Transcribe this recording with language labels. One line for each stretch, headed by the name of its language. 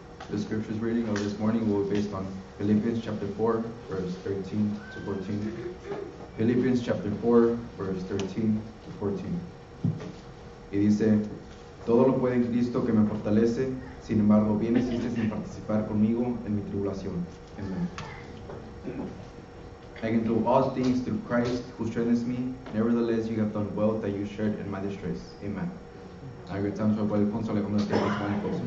English: The scriptures reading of this morning will be based on Philippians chapter 4, verse 13 to 14. Philippians chapter 4, verse 13 to 14.
Spanish: Y dice, todo lo puede Cristo que me fortalece, sin embargo, bien existe sin participar conmigo en mi tribulación.
English: Amen. I can do all things through Christ who strengthens me. Nevertheless, you have done well that you shared in my distress. Amen.
Spanish: Agradecemos por el consuelo que nos dio el Señor.